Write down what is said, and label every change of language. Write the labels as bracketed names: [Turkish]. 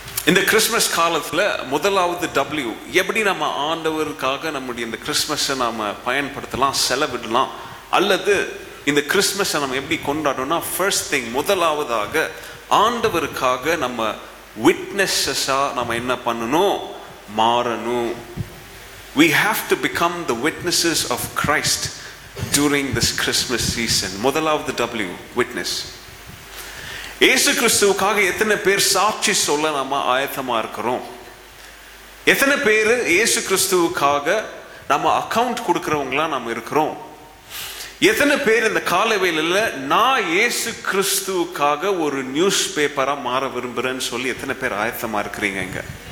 [Tamil] இந்த கிறிஸ்மஸ் காலத்துல முதலாவது W, எப்படி நம்ம ஆண்டவருக்காக நம்முடைய இந்த கிறிஸ்மஸை நாம பயன்படுத்தலாம், செலவிடலாம், அல்லது இந்த கிறிஸ்மஸை நம்ம எப்படி கொண்டாடணும்னா, [English] first thing, [Tamil] முதலாவதாக ஆண்டவருக்காக நம்ம விட்னஸஸா நம்ம என்ன பண்ணணும், மாறணும். [English] We have to become the witnesses of Christ during this Christmas season. [Tamil] முதலாவது W, witness. இயேசு கிறிஸ்துவுக்காக எத்தனை பேர் சாட்சி சொல்ல நாம ஆயத்தமா இருக்கிறோம், எத்தனை பேர் இயேசு கிறிஸ்துவுக்காக நம்ம அக்கவுண்ட் கொடுக்கிறவங்களா நாம இருக்கிறோம், எத்தனை பேர் இந்த காலவேளையில நான் இயேசு கிறிஸ்துவுக்காக ஒரு நியூஸ் பேப்பரா மாற விரும்புறேன்னு சொல்லி எத்தனை பேர் ஆயத்தமா இருக்கிறீங்க இங்க?